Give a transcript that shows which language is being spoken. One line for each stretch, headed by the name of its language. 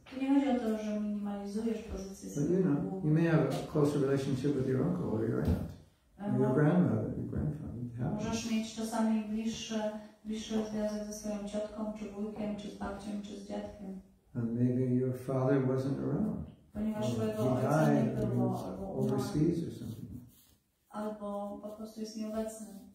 Polish: To nie chodzi o to, że minimalizujesz pozycję swojego guru.
English: You may have a closer relationship with your uncle or your aunt. Your grandmother, your grandfather.
Polish: Możesz mieć czasami bliższy związek ze swoją ciotką, czy wujkiem, czy z babcią, czy z dziadkiem.
English: And maybe your father wasn't around.
Polish: Ponieważ twojego ojca nie było, albo
English: overseas or something.
Polish: Albo po prostu jest nieobecny.